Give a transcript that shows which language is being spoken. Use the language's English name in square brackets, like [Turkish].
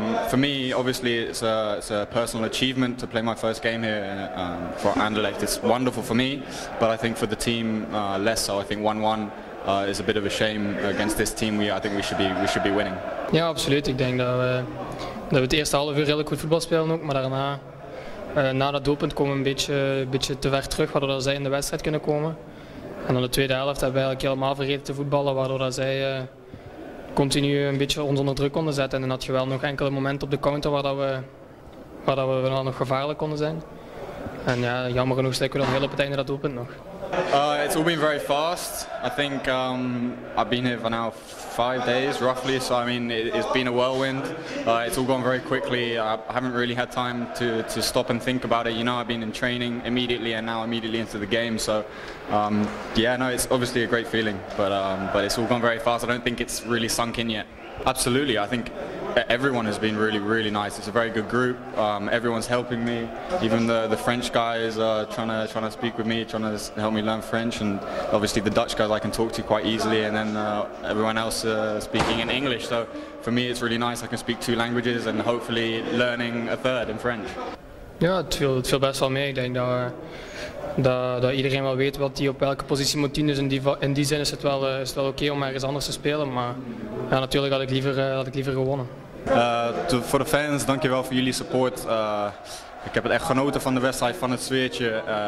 [English] For me, obviously, it's a personal achievement to play my first game here for Anderlecht. It's wonderful for me, but I think for the team, less so. I think 1-1 is a bit of a shame against this team. I think we should be winning. [Dutch] Ja, absoluut. Ik denk dat we het eerste half uur redelijk goed voetbal spelen ook, maar daarna, na dat doelpunt, komen we een beetje te ver terug, waardoor dat zij in de wedstrijd kunnen komen. En dan de tweede helft hebben we eigenlijk helemaal vergeten te voetballen, waardoor dat zij continu een beetje ons onder druk konden zetten. En dan had je wel nog enkele momenten op de counter waar dat we wel nog gevaarlijk konden zijn. En ja, jammer genoeg steken we dan heel op het einde dat doelpunt nog. [English] It's all been very fast. I think I've been here for now 5 days roughly, so I mean it's been a whirlwind. It's all gone very quickly. I haven't really had time to stop and think about it. You know, I've been in training immediately and now immediately into the game. So yeah, no, it's obviously a great feeling, but it's all gone very fast. I don't think it's really sunk in yet. Absolutely, I think everyone has been really, really nice. It's a very good group. Everyone's helping me. Even the French guys are trying to speak with me, trying to help me learn French. And obviously the Dutch guys I can talk to quite easily. And then everyone else speaking in English. So for me, it's really nice. I can speak two languages and hopefully learning a third in French. [Dutch] Ja, het viel best wel mee. Ik denk dat iedereen wel weet wat die op welke positie moet doen. Dus in die zin is het wel, oké om ergens anders te spelen. Maar ja, natuurlijk had ik liever gewonnen. Voor de fans, dankjewel voor jullie support. Ik heb het echt genoten van de wedstrijd, van het sfeertje.